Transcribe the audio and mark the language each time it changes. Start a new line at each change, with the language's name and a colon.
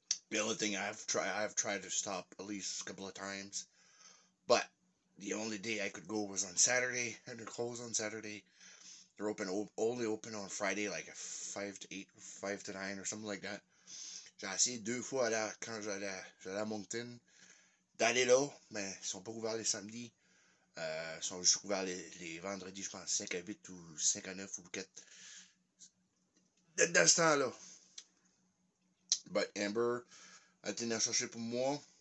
English: The only thing I've tried to stop at least a couple of times. But the only day I could go was on Saturday. And they're closed on Saturday. They're open only open on Friday, like 5 to 8, 5 to 9 or something like that.
French: J'ai essayé deux fois là quand j'allais à Moncton. D'aller là, mais ils sont pas ouverts les samedis. Ils sont juste ouverts les vendredis, je pense, 5 à 8 ou 5 à 9 ou 4. Dans ce temps-là.
English: But Amber, I think that's a ship of more.